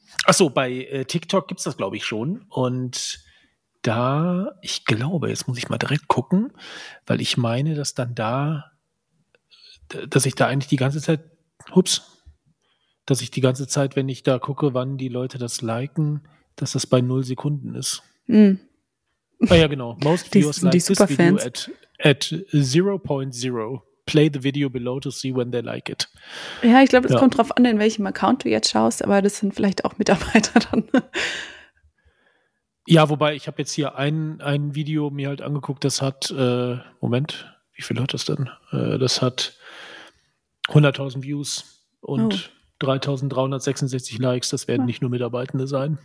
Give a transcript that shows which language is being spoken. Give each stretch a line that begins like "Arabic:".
German: Achso, bei TikTok gibt es das, glaube ich, schon. Und da, ich glaube, jetzt muss ich mal direkt gucken, weil ich meine, dass dann da, dass ich die ganze Zeit, wenn ich da gucke, wann die Leute das liken, dass das bei 0 Sekunden ist. Mm. Ah ja, genau.
English: Most viewers like this video at 0.0. Play the video below to see when they like it.
German: Ja, ich glaube, es kommt drauf an, in welchem Account du jetzt schaust, aber das sind vielleicht auch Mitarbeiter dann. Ja, wobei, ich habe jetzt hier ein Video mir halt angeguckt, das hat, Moment, wie viel hat das denn? Das hat 100.000 Views und 3.366 Likes, das werden nicht nur Mitarbeitende sein.